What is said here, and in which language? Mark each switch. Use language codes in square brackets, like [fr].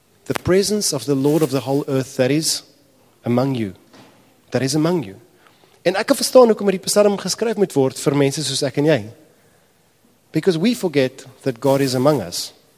[en] The presence of the Lord of the whole earth that is among you. That is among you. [af] En ek kan verstaan hoekom die psalm geskryf moet word vir mense soos ek en jy. [en] Because we forget that God is among us.